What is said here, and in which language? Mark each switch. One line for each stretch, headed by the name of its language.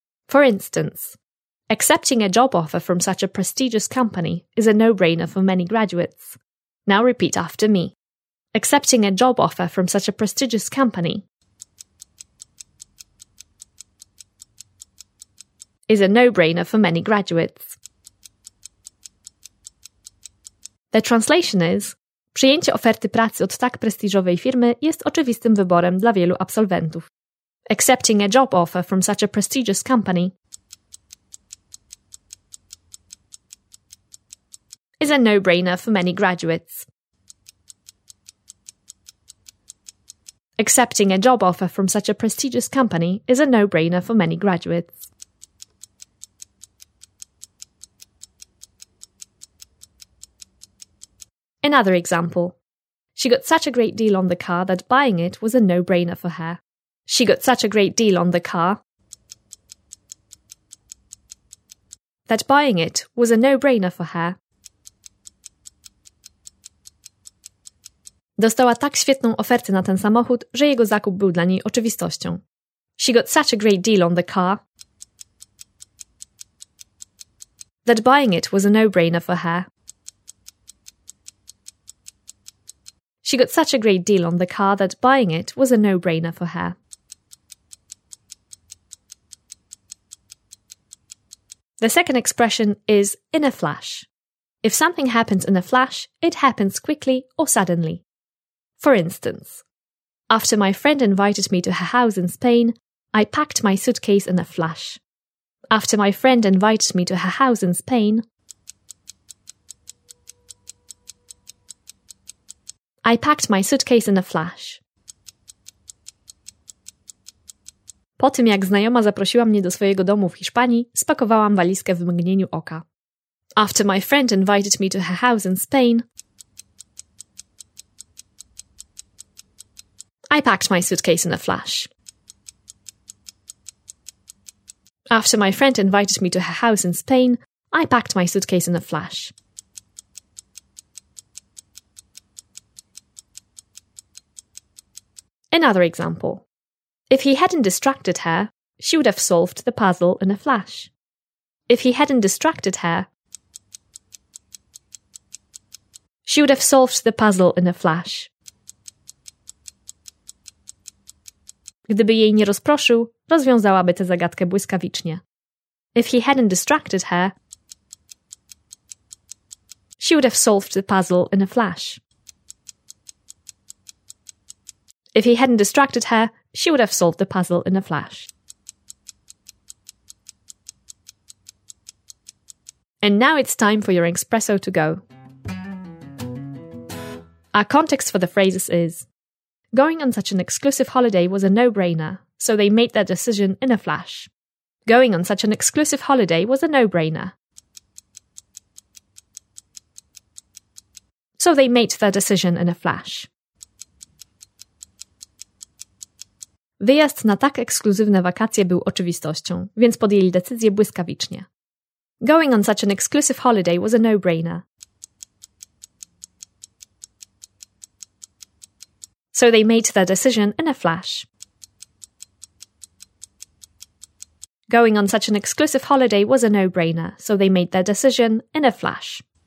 English: For instance, accepting a job offer from such a prestigious company is a no-brainer for many graduates. Now repeat after me. Accepting a job offer from such a prestigious company is a no-brainer for many graduates. The translation is:
Polish: przyjęcie oferty pracy od tak prestiżowej firmy jest oczywistym wyborem dla wielu absolwentów.
English: Accepting a job offer from such a prestigious company is a no-brainer for many graduates. Accepting a job offer from such a prestigious company is a no-brainer for many graduates. Another example. She got such a great deal on the car that buying it was a no-brainer for her. She got such a great deal on the car that buying it was a no-brainer for her.
Polish: Dostała tak świetną ofertę na ten samochód, że jego zakup był dla niej oczywistością.
English: She got such a great deal on the car that buying it was a no-brainer for her. She got such a great deal on the car that buying it was a no-brainer for her. The second expression is in a flash. If something happens in a flash, it happens quickly or suddenly. For instance, after my friend invited me to her house in Spain, I packed my suitcase in a flash. After my friend invited me to her house in Spain, I packed my suitcase in a flash.
Polish: Po tym, jak znajoma zaprosiła mnie do swojego domu w Hiszpanii, spakowałam walizkę w mgnieniu oka.
English: After my friend invited me to her house in Spain, I packed my suitcase in a flash. After my friend invited me to her house in Spain, I packed my suitcase in a flash. Another example. If he hadn't distracted her, she would have solved the puzzle in a flash. If he hadn't distracted her, She would have solved the puzzle in a flash.
Polish: Gdyby jej nie rozproszył, rozwiązałaby tę zagadkę błyskawicznie.
English: If he hadn't distracted her, she would have solved the puzzle in a flash. If he hadn't distracted her, she would have solved the puzzle in a flash. And now it's time for your espresso to go. Our context for the phrases is: going on such an exclusive holiday was a no-brainer, so they made their decision in a flash. Going on such an exclusive holiday was a no-brainer. So they made their decision in a flash.
Polish: Wyjazd na tak ekskluzywne wakacje był oczywistością, więc podjęli decyzję błyskawicznie.
English: Going on such an exclusive holiday was a no-brainer. So they made their decision in a flash. Going on such an exclusive holiday was a no-brainer, so they made their decision in a flash.